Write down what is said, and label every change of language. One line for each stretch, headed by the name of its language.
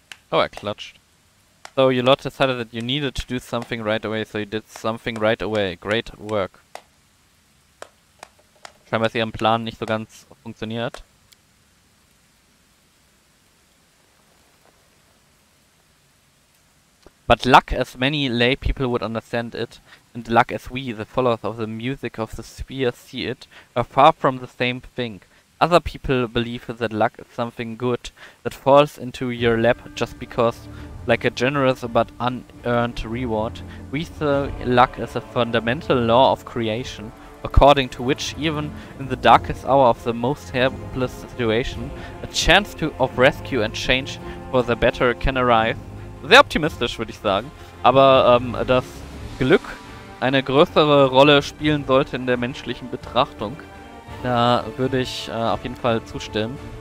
German: Oh, er klatscht.
English: So, you lot decided that you needed to do something right away, so you did something right away. Great work.
German: Scheinbar ist ihrem Plan nicht so ganz funktioniert.
English: But luck as many lay people would understand it, and luck as we, the followers of the music of the sphere, see it, are far from the same thing. Other people believe that luck is something good that falls into your lap just because, like a generous but unearned reward. We see luck as a fundamental law of creation, according to which even in the darkest hour of the most helpless situation, a chance of rescue and change for the better can arrive.
German: Sehr optimistisch, würde ich sagen. Aber dass Glück eine größere Rolle spielen sollte in der menschlichen Betrachtung, da würde ich auf jeden Fall zustimmen.